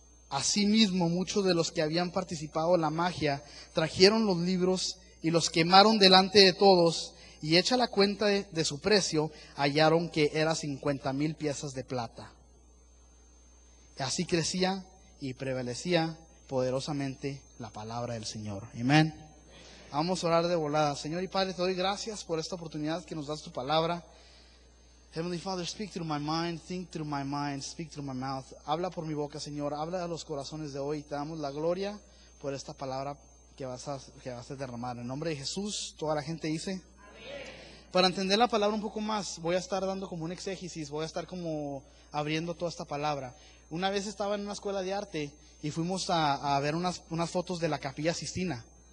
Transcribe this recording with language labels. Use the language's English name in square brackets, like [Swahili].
[Spanish] Asimismo, muchos de los que habían participado en la magia trajeron los libros y los quemaron delante de todos, y hecha la cuenta de su precio, hallaron que era 50,000 piezas de plata. Y así crecía y prevalecía poderosamente la palabra del Señor. Amén. Vamos a orar de volada. Señor y Padre, te doy gracias por esta oportunidad que nos das tu palabra. [English] Heavenly Father, speak through my mind, think through my mind, speak through my mouth. [Spanish] Habla por mi boca, Señor. Habla a los corazones de hoy. Te damos la gloria por esta palabra que vas a derramar. En nombre de Jesús, toda la gente dice. Para entender la palabra un poco más, voy a estar dando como un exégesis, voy a estar como abriendo toda esta palabra. Una vez estaba en una escuela de arte y fuimos a ver unas fotos de la Capilla Sixtina.